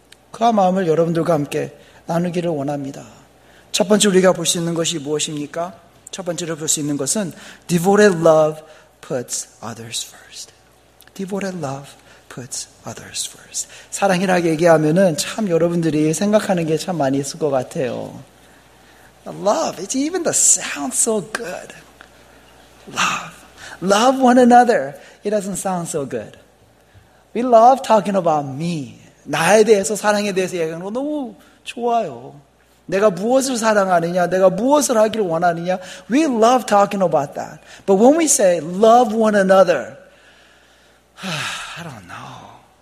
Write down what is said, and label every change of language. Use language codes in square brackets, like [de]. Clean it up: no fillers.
[ko] 그 마음을 여러분들과 함께 나누기를 원합니다. 첫 번째 우리가 볼 수 있는 것이 무엇입니까? 첫 번째로 볼 수 있는 것은 [en] Devoted love puts others first. Devoted love puts others first. [ko] 사랑이라고 얘기하면은 참 여러분들이 생각하는 게 참 많이 있을 것 같아요. [en] Love, it's even the sound so good. Love. love one another. It doesn't sound so good. We love talking about me. [ko] 나에 대해서 사랑에 대해서 얘기하는 거 너무 좋아요. 내가 무엇을 사랑하느냐, 내가 무엇을 하기를 원하느냐. [en] We love talking about that. But when we say love one another, I don't know.